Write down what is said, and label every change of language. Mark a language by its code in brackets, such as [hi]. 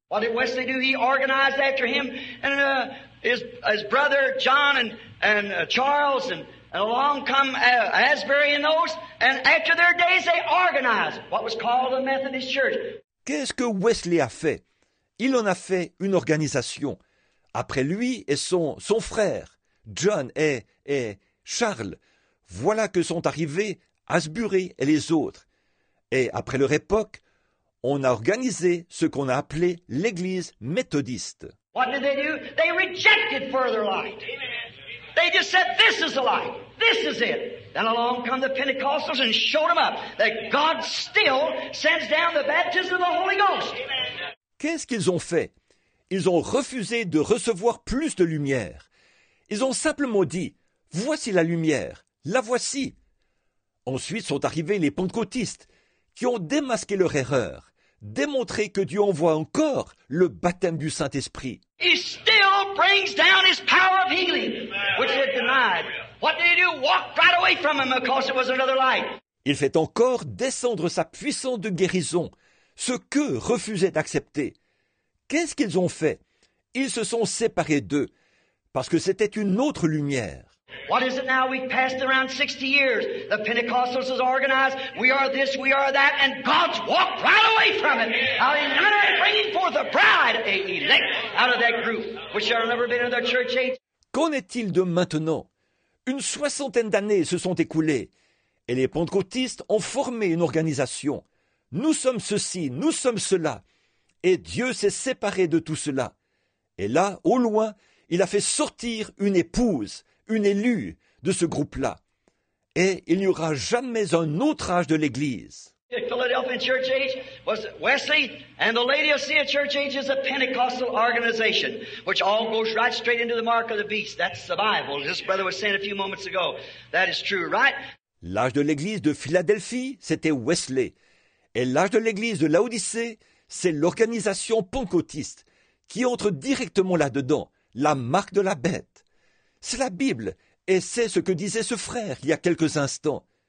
[en] What did Wesley do? He organized after him and his brother John and Charles and. And along come Asbury and those, and after their days they organized what was called the Methodist Church. [fr] Qu'est-ce que Wesley a fait? Il en a fait une organisation. Après lui et son frère, John et Charles, voilà que sont arrivés Asbury et les autres. Et après leur époque, on a organisé ce qu'on a appelé l'Église méthodiste. [en] What did they do? They rejected further light. They just said, this is the light. This is it. Then along come the Pentecostals and showed them up that God still sends down the baptism of the Holy Ghost. [fr] Qu'est-ce qu'ils ont fait? Ils ont refusé de recevoir plus de lumière. Ils ont simplement dit, voici la lumière, la voici. Ensuite sont arrivés les pentecôtistes qui ont démasqué leur erreur, démontré que Dieu envoie encore le baptême du Saint-Esprit. [en] He still brings down his power of healing, which was denied. What did he do? Walked right away from him because it was another light. [fr] Il fait encore descendre sa puissance de guérison, ce qu'eux refusaient d'accepter. Qu'est-ce qu'ils ont fait? Ils se sont séparés d'eux, parce que c'était une autre lumière. [en] What is it now? We've passed around 60 years. The Pentecostals is organized. We are this, we are that, and God's walked right away from it. How he's never bringing forth a bride, a elect, out of that group, which shall never be in their church age. [fr] Qu'en est-il de maintenant? Une soixantaine d'années se sont écoulées, et les pentecôtistes ont formé une organisation. Nous sommes ceci, nous sommes cela. Et Dieu s'est séparé de tout cela. Et là, au loin, il a fait sortir une épouse, une élue de ce groupe-là. Et il n'y aura jamais un autre âge de l'Église. [en] The Philadelphia Church Age was Wesley, and the Laodicea Church Age is a Pentecostal organization, which all goes right straight into the mark of the beast. That's the Bible. This brother was saying a few moments ago. That is true, right? [fr] L'âge de l'Église de Philadelphie, c'était Wesley. Et l'âge de l'Église de Laodicée, c'est l'organisation pentecôtiste qui entre directement là-dedans, la marque de la bête. C'est la Bible, et c'est ce que disait ce frère il y a quelques instants.